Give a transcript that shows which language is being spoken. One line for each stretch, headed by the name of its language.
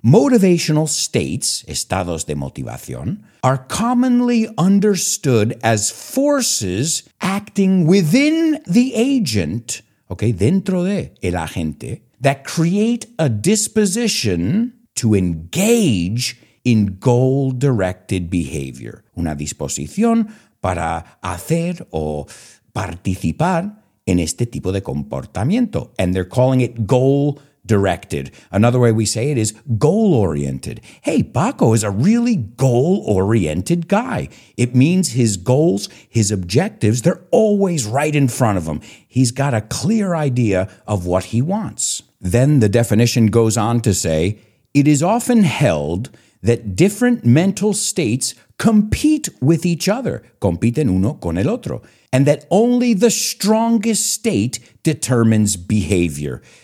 English: Motivational states,
Spanish: estados de motivación,
English: are commonly understood as forces acting within the agent, okay,
Spanish: dentro de el agente,
English: that create a disposition to engage in goal-directed behavior.
Spanish: Una disposición para hacer o participar en este tipo de comportamiento.
English: And they're calling it goal-directed. Another way we say it is goal-oriented. Hey, Paco is a really goal-oriented guy. It means his goals, his objectives, they're always right in front of him. He's got a clear idea of what he wants. Then the definition goes on to say, it is often held that different mental states compete with each other,
Spanish: compiten uno con el otro,
English: and that only the strongest state determines behavior.